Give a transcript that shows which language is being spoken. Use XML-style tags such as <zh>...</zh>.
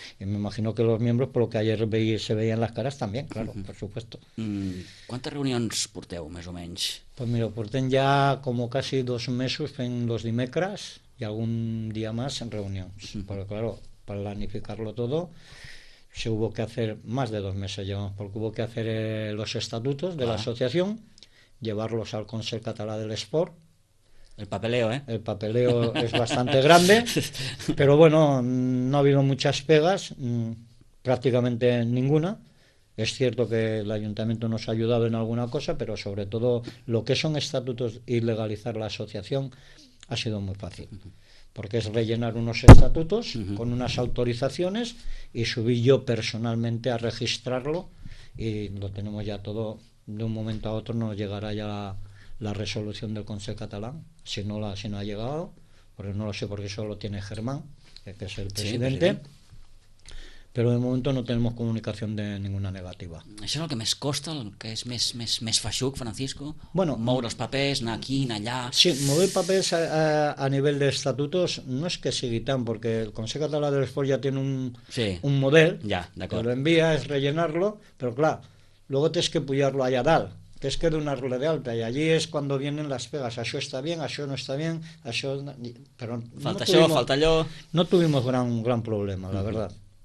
<es>Y me imagino que los miembros, por lo que ayer se veían las caras, también, claro, por supuesto. ¿Cuántas reuniones</es> <ca>porteu, més o menys?</ca> <es>Pues mira,</es> <ca>portem ja</ca> <es>como casi 2 mesos en los dimecres y algún día más en reuniones. Porque claro, para planificarlo todo, se hubo que hacer más de 2 meses, llevamos, porque hubo que hacer los estatutos de la asociación, llevarlos al Consell Català de l'Esport. El papeleo, ¿eh? El papeleo es bastante grande, pero bueno, no ha habido muchas pegas, prácticamente ninguna. Es cierto que el ayuntamiento nos ha ayudado en alguna cosa, pero sobre todo lo que son estatutos y legalizar la asociación ha sido muy fácil, porque es rellenar unos estatutos con unas autorizaciones y subí yo personalmente a registrarlo y lo tenemos ya todo. De un momento a otro nos llegará ya la resolución del Consell Catalán, si no ha llegado, porque no lo sé, porque solo tiene Germán, que es el presidente. Sí, pero de momento no tenemos comunicación de ninguna negativa.</es> <ca>Això és el que més costa, el que és més feixuc, Francisco? Bueno, moure els papers, anar aquí, anar allà... Sí, moure papers a nivell d'estatutos no és que sigui tant, perquè el Consell Català de l'Esport ja té un model, ja, d'acord, que l'envia, és rellenar-lo, però clar, luego tens que pujar-lo allà dalt, tens que donar-lo de alta, i allí és quan</ca> <es>vienen</es> <ca>les pegues, això està bé, això no està bé, això... Però falta això, falta allò...</ca> <es>No tuvimos gran problema, la verdad.</es>